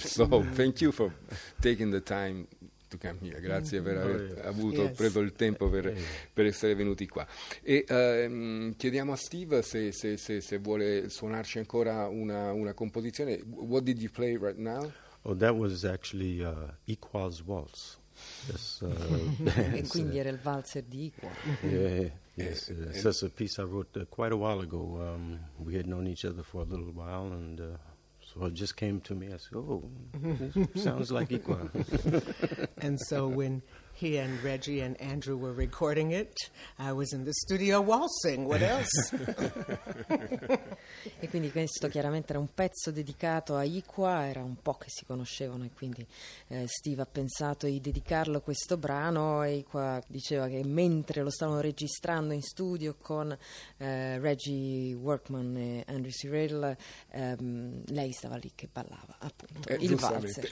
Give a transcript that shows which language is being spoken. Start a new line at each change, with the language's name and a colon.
English: So thank you for taking the time to come here.
Italian: Grazie per aver preso il tempo per essere venuti qua. E chiediamo a Steve se vuole suonarci ancora una composizione.
English: What did you play right now? Oh, that was actually Equals Waltz. Yes,
Italian: e quindi era il valzer di Iqua.
English: Yes, it's a piece I wrote quite a while ago. We had known each other for a little while, and so it just came to me. I said, "Oh, sounds like Iqua." And so when he and Reggie and Andrew were recording it, I was in the studio waltzing. What else?
Italian: E quindi questo chiaramente era un pezzo dedicato a Iqua, era un po' che si conoscevano, e quindi Steve ha pensato di dedicarlo questo brano. E Iqua diceva che mentre lo stavano registrando in studio con Reggie Workman e Andrew Cyril, lei stava lì che ballava, appunto, il valzer.